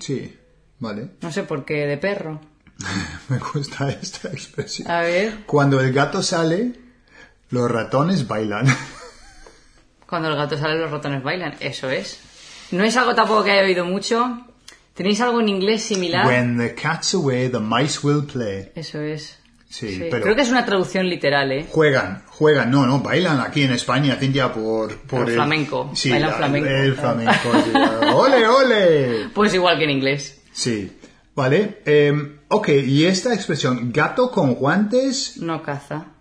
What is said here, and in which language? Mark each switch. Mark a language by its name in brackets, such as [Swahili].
[Spanish] Sí, vale. No sé por qué, de perro. Me gusta esta expresión. A ver. Cuando el gato sale... Los ratones bailan. Cuando el gato sale, los ratones bailan. Eso es. No es algo tampoco que haya oído mucho. ¿Tenéis algo en inglés similar? [English] When the cat's away, the mice will play. [Spanish] Eso es. Sí, sí. Pero... Creo que es una traducción literal, ¿eh? Juegan. No, no, bailan aquí en España, Cintia, por el flamenco. Sí, bailan flamenco. El flamenco. Sí. ¡Ole, ole! Pues igual que en inglés. Sí. Vale. Ok, y esta expresión, gato con guantes... No caza.